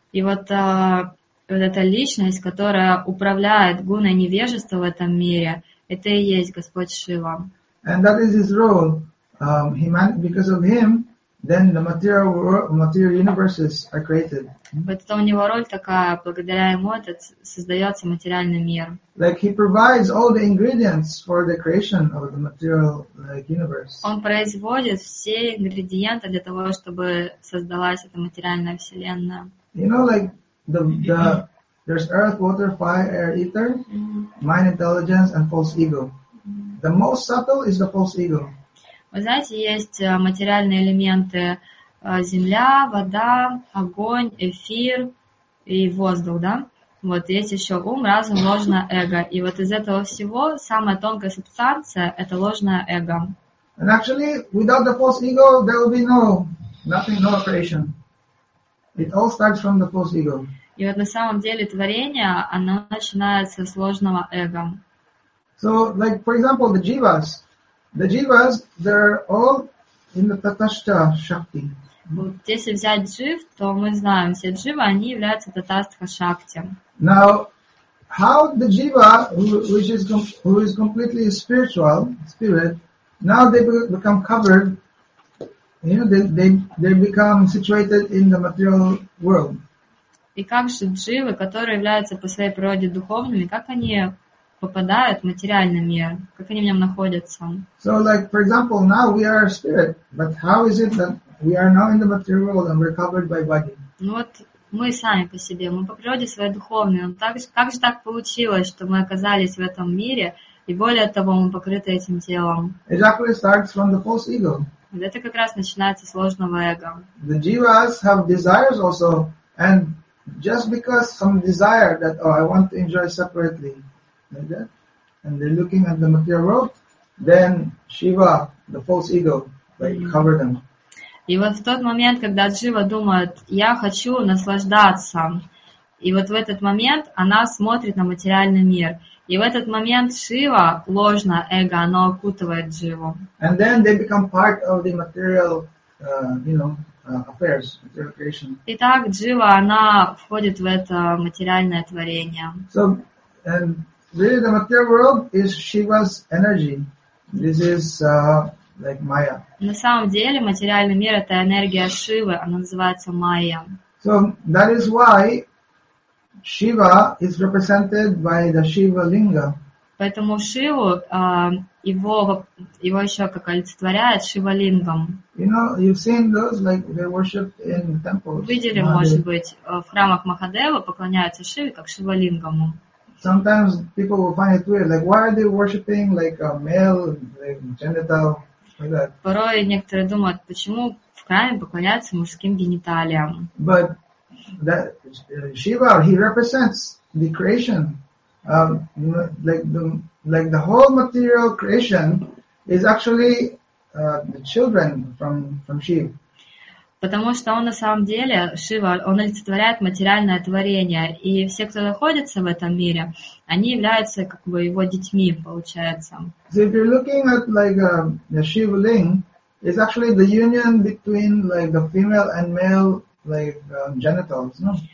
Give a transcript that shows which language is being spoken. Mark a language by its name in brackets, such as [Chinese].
[Russian] И вот вот эта личность, которая управляет гуной невежества в этом мире, это и есть Господь Шива. [English] And that is his role. Because of him, then the material world, material universes are created. [Russian] Вот это у него роль такая, благодаря ему создается материальный мир. [English] Like he provides all the ingredients for the creation of the material like universe. [Russian] Он производит все ингредиенты для того, чтобы создалась эта материальная вселенная. [English] You know, like the There's earth, water, fire, air, ether, mind, intelligence, and false ego. The most subtle is the false ego. [Russian] Вы знаете, есть материальные элементы земля, вода, огонь, эфир и воздух, да? Вот есть еще ум, разум, ложное эго. И вот из этого всего самая тонкая субстанция – это ложное эго. [English] And actually, without the false ego, there will be no nothing, no creation. It all starts from the false ego. [Russian] И вот на самом деле творение, оно начинается с ложного эго. [English] So, like, for example, the jivas. The jivas, they're all in the tatastha shakti. [Russian] Вот если взять джив, то мы знаем, все дживы, они являются татастха шакти. [English] Now, how the jiva, who is completely spiritual, spirit, now they become covered, you know, they become situated in the material world. [Russian] И как же дживы, которые являются по своей природе духовными, как они попадают в материальный мир? Как они в нем находятся? [English] So, like, for example, now we are a spirit, but how is it that we are now in the material world and we're covered by body? [Russian] Ну вот мы сами по себе, мы по природе своей духовные, но как же так получилось, что мы оказались в этом мире, и более того, мы покрыты этим телом? [English] It actually starts from the false ego. [Russian] Вот это как раз начинается с ложного эго. [English] The jivas have desires also, and just because some desire that, oh, I want to enjoy separately, like that, and they're looking at the material world, then Shiva, the false ego, like, cover them. [Russian] И вот в тот момент, когда джива думает, я хочу наслаждаться, и вот в этот момент она смотрит на материальный мир. И в этот момент Шива, ложное эго, оно окутывает дживу. [English] And then they become part of the material, affairs, material creation. [Russian] Итак, джива, она входит в это материальное творение. [English] So, and really the material world is Shiva's energy. This is like Maya. [Russian] На самом деле материальный мир — это энергия Шивы, она называется Майя. [English] So that is why Shiva is represented by the Shiva Linga. [Russian] Поэтому Шиву его еще как олицетворяет Шива Лингом. [English] You know, you've seen those, like, they worship in temples. [Russian] Видели, может быть, в храмах Махадева поклоняются Шиве как Шива Лингому. [English] Sometimes people will find it weird, like, why are they worshiping like a male, like genital? [Russian] Порой некоторые думают, почему в храме поклоняются мужским гениталиям. [English] But that Shiva, he represents the creation. Like the whole material creation is actually the children from Shiva. [Russian] Потому что он на самом деле, Шива, он олицетворяет материальное творение. И все, кто находится в этом мире, они являются как бы его детьми, получается. [English] So if you're looking at like the Shiva Ling, it's actually the union between like the female and male like genitals, no?